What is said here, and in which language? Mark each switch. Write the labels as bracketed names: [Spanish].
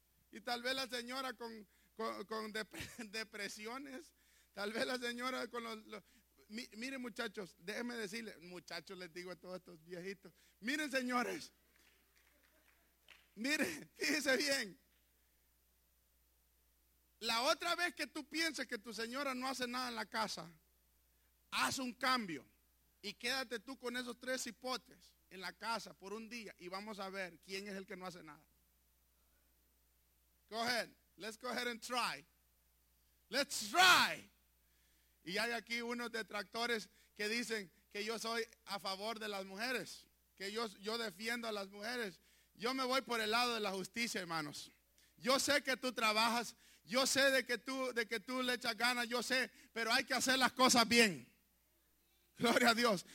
[Spanish] Y tal vez la señora con depresiones, tal vez la señora con los miren, muchachos, déjenme decirles, muchachos, les digo a todos estos viejitos, miren, señores, miren, fíjense bien. La otra vez que tú pienses que tu señora no hace nada en la casa, haz un cambio y quédate tú con esos tres cipotes en la casa por un día y vamos a ver quién es el que no hace nada. [English] Go ahead, let's go ahead and try. Let's try. [Spanish] Y hay aquí unos detractores que dicen que yo soy a favor de las mujeres, que yo defiendo a las mujeres. Yo me voy por el lado de la justicia, hermanos. Yo sé que tú trabajas, yo sé de que tú le echas ganas, yo sé, pero hay que hacer las cosas bien. Gloria a Dios.